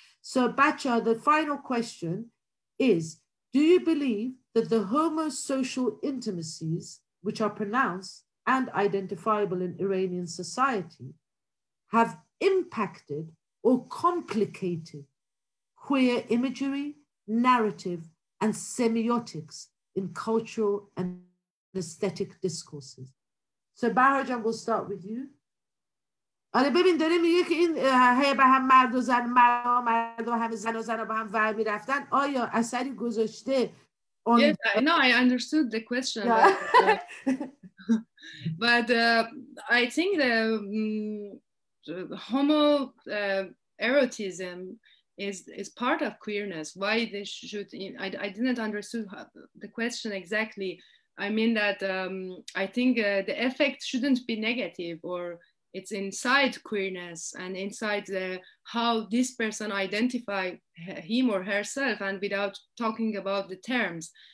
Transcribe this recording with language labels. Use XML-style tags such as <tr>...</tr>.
<en>So Bacha, the final question is, do you believe that the homosocial intimacies, which are pronounced and identifiable in Iranian society, have impacted or complicated queer imagery, narrative, and semiotics in cultural and aesthetic discourses? So Bahar jan, we'll start with you.</en> <fa>آره ببین داره میگه که این هی با هم مرد و زن مرد و هم زن و زن با هم ور می رفتن آیا اثری گذاشته؟</fa> <en>Yes, no, I understood the question. Yeah. But I think the homo erotism is part of queerness. Why they should, I didn't understand the question exactly. I mean that I think the effect shouldn't be negative, or it's inside queerness and inside the how this person identify him or herself, and without talking about the terms.</en>